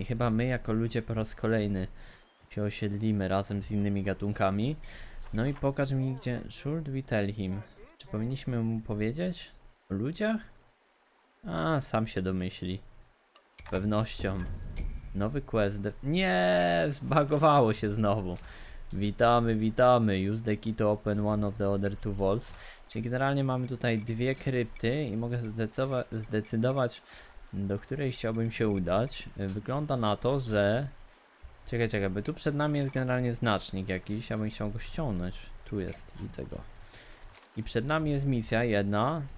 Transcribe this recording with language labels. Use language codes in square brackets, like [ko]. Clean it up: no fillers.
[pl] I chyba my jako ludzie po raz kolejny się osiedlimy razem z innymi gatunkami. No i pokaż mi, gdzie... [en] Should we tell him? [pl] Czy powinniśmy mu powiedzieć? O ludziach? A, sam się domyśli. Z pewnością. Nowy quest. Nie, zbugowało się znowu. Witamy, witamy. [en] Use the key to open one of the other two vaults. [pl] Czyli generalnie mamy tutaj dwie krypty i mogę zdecydować, do której chciałbym się udać. Wygląda na to, że... Czekaj, bo tu przed nami jest generalnie znacznik jakiś. Ja bym chciał go ściągnąć. Tu jest, widzę go. I przed nami jest misja jedna.